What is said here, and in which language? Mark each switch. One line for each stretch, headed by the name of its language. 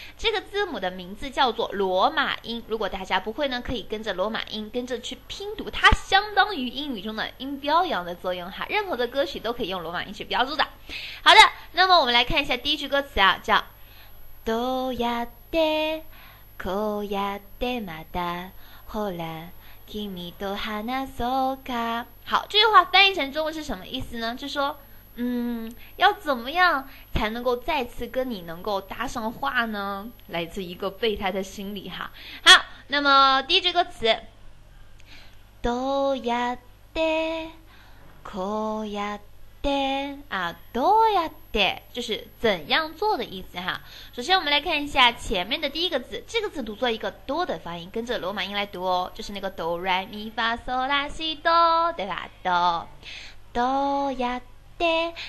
Chinese: 这个字母的名字叫做罗马音，如果大家不会呢，可以跟着罗马音跟着去拼读，它相当于英语中的音标一样的作用哈，任何的歌曲都可以用罗马音去标注的。好的，那么我们来看一下第一句歌词啊，叫
Japanese: どうやってこうやってまたほら君と話そうか。
Chinese: 好，这句话翻译成中文是什么意思呢？就说要怎么样才能够再次跟你能够搭上话呢？来自一个备胎的心理哈。好，那么第一句歌词
Japanese: どうやってこうやってどうやって
Chinese: 就是怎样做的意思哈。首先我们来看一下前面的第一个字，这个字读作一个多的发音，跟着罗马音来读哦，就是那个哆来咪发嗦拉西哆，对吧？哆哆呀的。